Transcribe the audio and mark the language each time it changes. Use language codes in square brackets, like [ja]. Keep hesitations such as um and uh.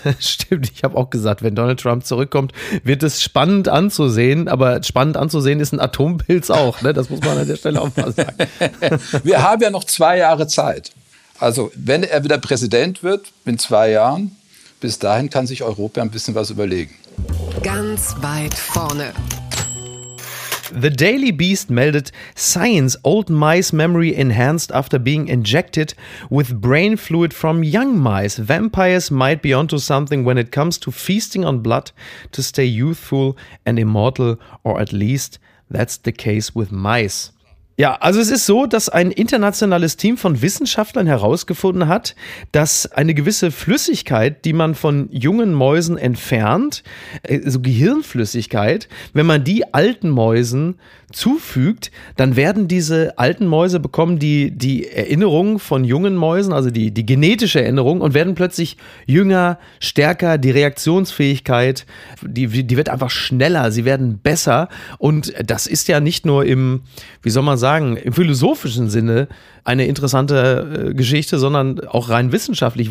[de] Stimmt, ich habe auch gesagt, wenn Donald Trump zurückkommt, wird es spannend anzusehen, aber spannend anzusehen ist ein Atompilz auch, ne? das muss man an der Stelle auch mal sagen. Wir haben ja noch zwei Jahre Zeit. Also wenn er wieder Präsident wird, in zwei Jahren, bis dahin kann sich Europa ein bisschen was überlegen. Ganz weit vorne. [en] The Daily Beast melded Science Old Mice Memory Enhanced after being injected with brain fluid from young mice. Vampires might be onto something when it comes to feasting on blood to stay youthful and immortal, or at least that's the case with mice. [de] Ja, also es ist so, dass ein internationales Team von Wissenschaftlern herausgefunden hat, dass eine gewisse Flüssigkeit, die man von jungen Mäusen entfernt, so also Gehirnflüssigkeit, wenn man die alten Mäusen zufügt, dann werden diese alten Mäuse bekommen die, die Erinnerung von jungen Mäusen, also die, die genetische Erinnerung und werden plötzlich jünger, stärker, die Reaktionsfähigkeit, die, die wird einfach schneller, sie werden besser und das ist ja nicht nur im, wie soll man sagen, im philosophischen Sinne eine interessante Geschichte, sondern auch rein wissenschaftlich.